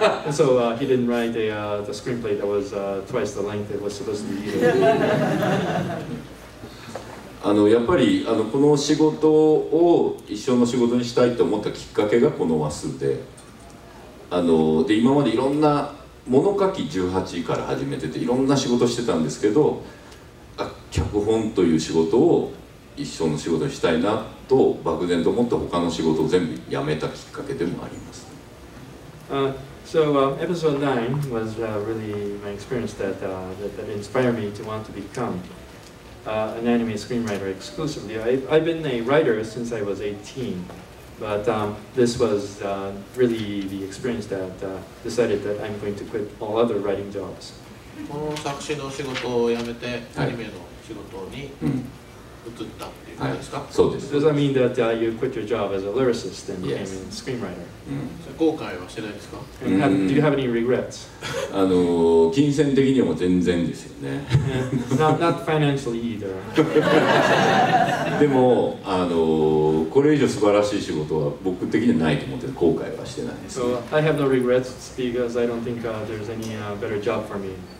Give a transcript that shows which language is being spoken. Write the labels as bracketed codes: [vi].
[en] so he didn't write a, the screenplay that was twice the length it was supposed to be. [ja] あのやっぱりあのこの仕事を一生の仕事にしたいと思ったきっかけがこの話数 で, あので今までいろんな物書き18位から始めてていろんな仕事してたんですけど、あ脚本という仕事を一生の仕事にしたいなと漠然と思った他の仕事を全部辞めたきっかけでもあります。 [en] So episode 9 was really my experience that, that inspired me to want to becomean anime screenwriter exclusively. I've been a writer since I was 18, but this was really the experience that decided that I'm going to quit all other writing jobs. [ja] この作詞の仕事を辞めてアニメの仕事に移ったっていうことですか？そうです。 [en] Does that mean that you quit your job as a lyricist and became a screenwriter? [ja] 後悔はしてないですか？ [en] Do you have any regrets? [ja] 金銭的にも全然ですよね。 [en] not financially either. [ja] でも、これ以上素晴らしい仕事は僕的にはないと思って後悔はしてないです。 [en] So I have no regrets because I don't think there's any better job for me.